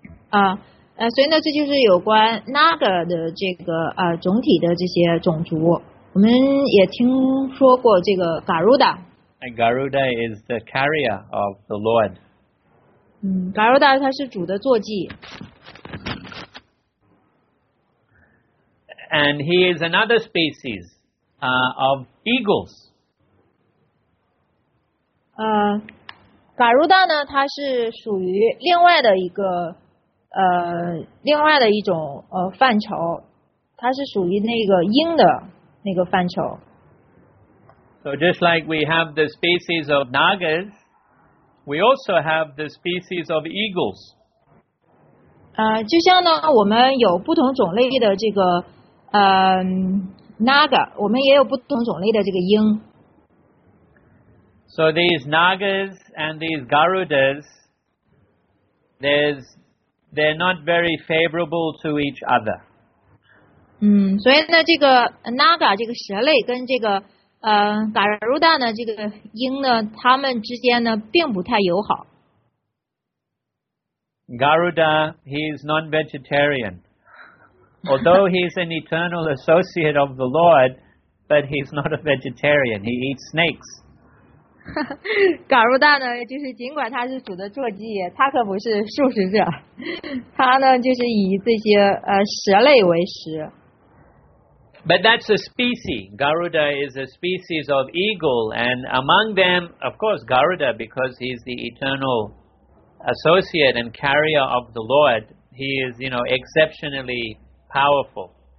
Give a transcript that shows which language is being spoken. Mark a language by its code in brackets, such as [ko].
[zh] 所以呢，这就是有关 Naga 的这个总体的这些种族。我们也听说过这个 Garuda. [en] And Garuda is the carrier of the Lord. [zh] Garuda 它是主的坐骑。 [en] And he is another species of eagles. [zh] Garuda 呢，它是属于另外的一个另外的一种范畴，它是属于那个鹰的那个范畴。 [en] So just like we have the species of Nagas, we also have the species of eagles. [zh] 就像呢，我们有不同种类的这个Naga， 我们也有不同种类的这个鹰。 [en] So these Nagas and these Garudas, they're not very favorable to each other. [zh] 所以呢，这个 Naga 这个蛇类跟这个Garuda 呢，这个鹰呢，它们之间呢并不太友好。 [en] Garuda, he is non-vegetarian, although he is an eternal associate of the Lord, but he's not a vegetarian. He eats snakes. [zh] 嘎如大呢，就是尽管他是主的坐骑，他可不是素食者，他呢就是以这些蛇类为食。 [en] But that's a species. Garuda is a species of eagle, and among them, of course, Garuda, because he's the eternal associate and carrier of the Lord, he is, you know, exceptionally powerful.